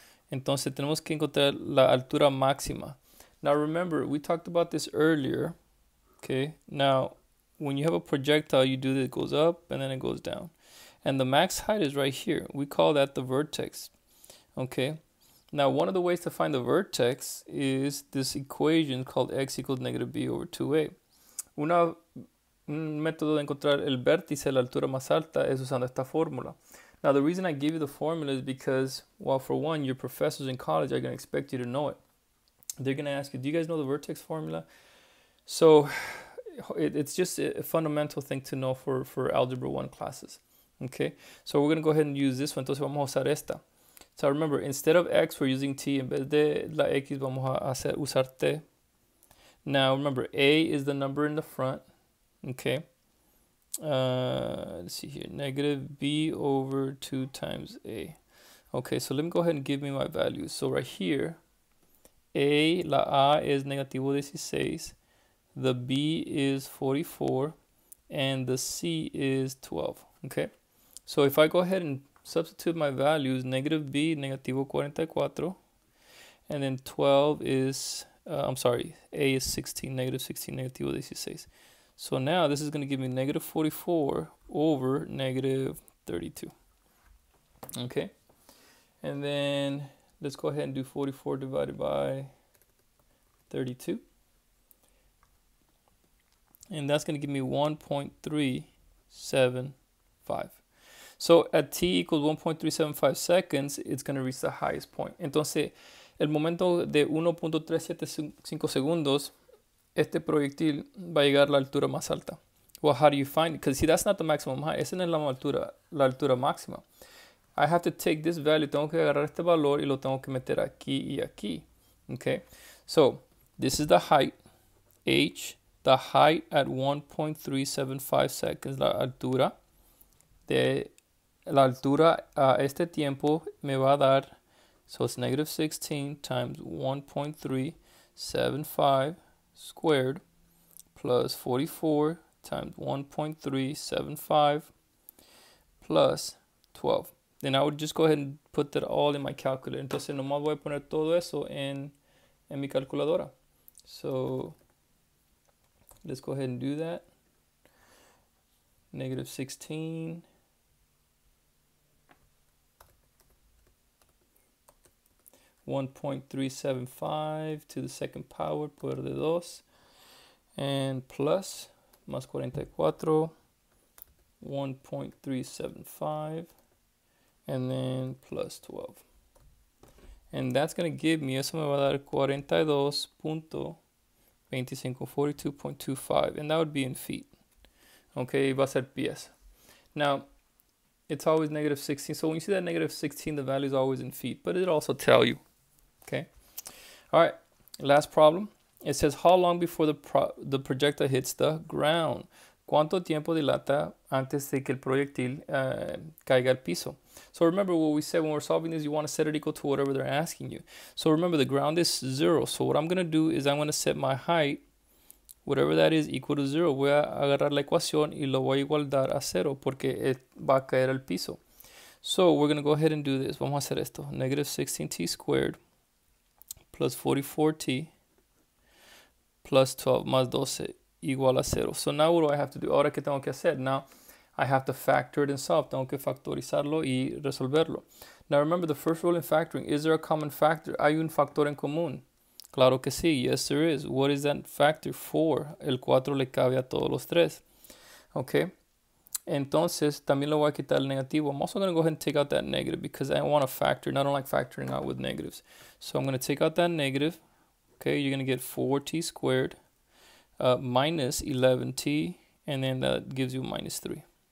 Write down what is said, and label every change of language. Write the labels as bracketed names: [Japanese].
[Spanish] Entonces, tenemos que encontrar la altura máxima. [English] Now, remember, we talked about this earlier, okay? Now, when you have a projectile, you do that, it goes up, and then it goes down. And the max height is right here. We call that the vertex, okay? Now, one of the ways to find the vertex is this equation called x equals negative b over 2a. [Spanish] Un método de encontrar el vértice, la altura más alta, es usando esta fórmula. [English] Now, the reason I give you the formula is because, well, for one, your professors in college are going to expect you to know it. They're going to ask you, do you guys know the vertex formula? So, it's just a fundamental thing to know for Algebra 1 classes. Okay? So, we're going to go ahead and use this one. Entonces, vamos a usar esta. So, remember, instead of x, we're using t. [Spanish] En vez de la x, vamos a usar t. [English] Now, remember, a is the number in the front. Okay? Let's see here, negative b over 2 times a. Okay, so let me go ahead and give me my values. So right here, la a is negativo 16, the b is 44, and the c is 12. Okay, so if I go ahead and substitute my values, negative b, negativo 44, and then 12 is, I'm sorry, a is 16, negative 16, negativo 16. So now this is going to give me negative 44 over negative 32. Okay. And then let's go ahead and do 44 divided by 32. And that's going to give me 1.375. So at t equals 1.375 seconds, it's going to reach the highest point. [Spanish] Entonces, el momento de 1.375 segundos, este proyectil va a llegar a la altura más alta. [English] Well, how do you find it? Because see, that's not the maximum height. [Spanish] Esa no es la altura máxima. [English] I have to take this value. [Spanish] Tengo que agarrar este valor y lo tengo que meter aquí y aquí. [English] Okay? So, this is the height, h, the height at 1.375 seconds, [Spanish] la altura. De la altura a este tiempo me va a dar, [English] so it's negative 16 times 1.375 squared plus 44 times 1.375 plus 12. Then I would just go ahead and put that all in my calculator. [Spanish] Entonces nomás voy a poner todo eso en mi calculadora. So [English] Let's go ahead and do that. Negative 16. (2). And plus, (+44), 1.375, and then (+12). And that's going to give me, [Spanish] eso me va a dar [English] 42.25, and that would be in feet. Okay, [Spanish] va a ser pies. [English] Now, it's always negative 16, so when you see that negative 16, the value is always in feet, but it'll also tell you. Okay, all right, last problem. It says, how long before the projectile hits the ground? [Spanish] ¿Cuánto tiempo dilata antes de que el proyectil caiga al piso? [English] So remember what we said when we're solving this, you want to set it equal to whatever they're asking you. So remember, the ground is zero. So what I'm going to do is I'm going to set my height, whatever that is, equal to zero. [Spanish] Voy a agarrar la ecuación y lo voy a igualar a cero porque va a caer al piso. [English] So we're going to go ahead and do this. [Spanish] Vamos a hacer esto. [English] -16t² + 44t. +12 + 12 = 12 equal to 0. So now what do I have to do? [Spanish] Ahora que tengo que hacer? [English] Now I have to factor it and solve. [Spanish] Tengo que factorizarlo y resolverlo. [English] Now remember the first rule in factoring. Is there a common factor? [Spanish] Hay un factor en común. Claro que sí. [English] Yes, there is. What is that factor? [Spanish] 4. El 4 le cabe a todos los 3. Okay. Entonces, también le voy a quitar el negativo. [English] I'm also going to go ahead and take out that negative because I want to factor. And I don't like factoring out with negatives. So I'm going to take out that negative. Okay, you're going to get 4t² minus 11t, and then that gives you minus 3.